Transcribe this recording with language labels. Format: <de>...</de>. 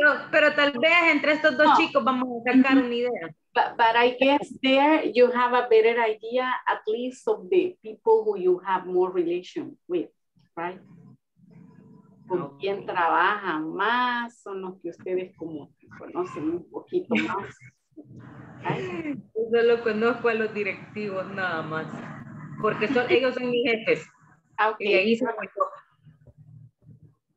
<es>Pero tal vez entre estos dos chicos vamos a sacar una idea.</es> <en>But I guess there you have a better idea, at least of the people who you have more relation with, right?</en> <es>Con quien trabajan más son los que ustedes como conocen un poquito más. Yo solo conozco a los directivos nada más, porque ellos son mis jefes. Okay. Y ahí se me toca.</es>